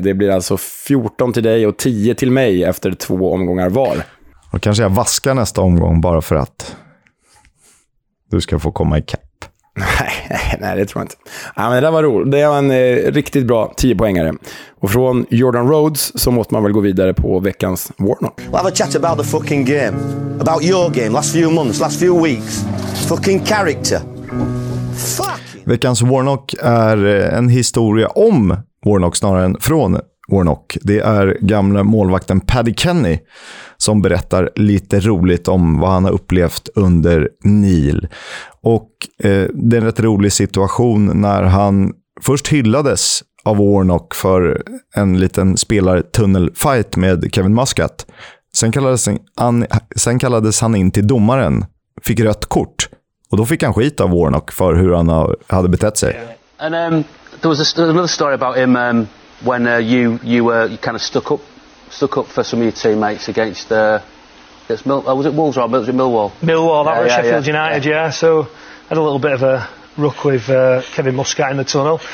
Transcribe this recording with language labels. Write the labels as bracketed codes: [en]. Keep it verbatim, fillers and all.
[sv] Det blir alltså fjorton till dig och tio till mig efter två omgångar var. Och kanske jag vaskar nästa omgång bara för att du ska få komma ikapp. Nej, nej, det tror jag inte. Ja, men det där var roligt. Det var en eh, riktigt bra tio-poängare. Och från Jordan Rhodes så måste man väl gå vidare på veckans Warnock. [en] We'll have a chat about the fucking game. About your game, last few months, last few weeks. Fucking character. Fuck. [sv] Veckans Warnock är en historia om Warnock snarare än från Warnock. Det är gamla målvakten Paddy Kenny som berättar lite roligt om vad han har upplevt under Neil. Och eh, det är en rätt rolig situation när han först hyllades av Warnock för en liten spelartunnelfight med Kevin Muscat. Sen kallades han, sen kallades han in till domaren, fick rött kort. Och då fick han skit av Warnock för hur han hade betett sig. [en] And um, there was a, another story about him um, when uh, you you were you kind of stuck up stuck up for some of your teammates against uh, against Mil- oh, was it Wolves or was it Millwall? Millwall, that yeah, was yeah, Sheffield yeah, United, yeah. yeah. So I had a little bit of a ruck with uh, Kevin Muscat in the tunnel.